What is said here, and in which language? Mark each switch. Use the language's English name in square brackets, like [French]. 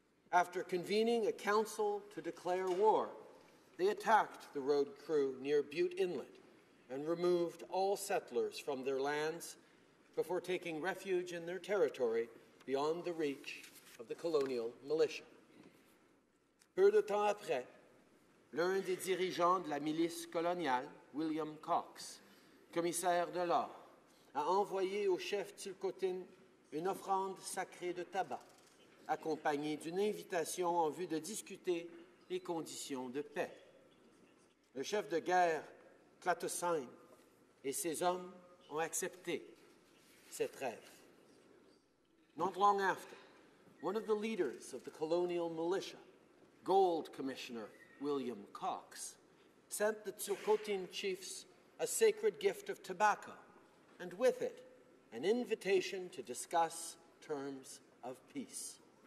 [English] After convening a council to declare war, they attacked the road crew near Butte Inlet and removed all settlers from their lands before taking refuge in their territory beyond the reach of the colonial militia. [French] Peu de temps après, l'un des dirigeants de la milice coloniale, William Cox, commissaire de l'or, a envoyé au chef Tsilhqot’in une offrande sacrée de tabac, accompagnée d'une invitation en vue de discuter les conditions de paix. Le chef de guerre, Tsilhqot’in, et ses hommes ont accepté cette rêve. [English] Not long after, one of the leaders of the colonial militia, Gold Commissioner William Cox, sent the Tsilhqot’in chiefs a sacred gift of tobacco, and with it, an invitation to discuss terms of peace.